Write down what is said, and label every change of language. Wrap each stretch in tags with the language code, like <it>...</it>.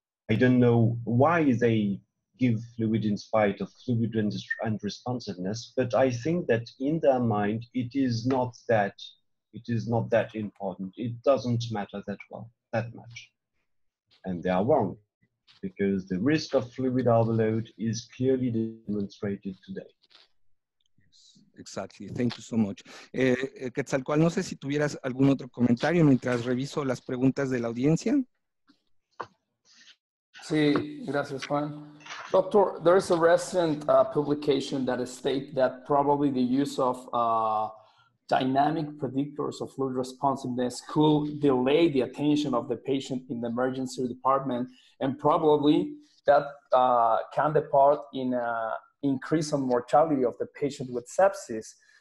<en>I don't know why they give fluid in spite of fluid and responsiveness, but I think that in their mind, it is not that important. It doesn't matter that well, that much. And they are wrong, because the risk of fluid overload is clearly demonstrated today. Yes, exactly. Thank you so much.</en> <es>Quetzalcoatl, no sé si tuvieras algún otro comentario mientras reviso las preguntas de la audiencia. Sí, gracias, Juan.</es> <en>Doctor, there is a recent publication that states that probably the use of dynamic predictors of fluid responsiveness could delay the attention of the patient in the emergency department, and probably that can depart in an increase in mortality of the patient with sepsis.</en>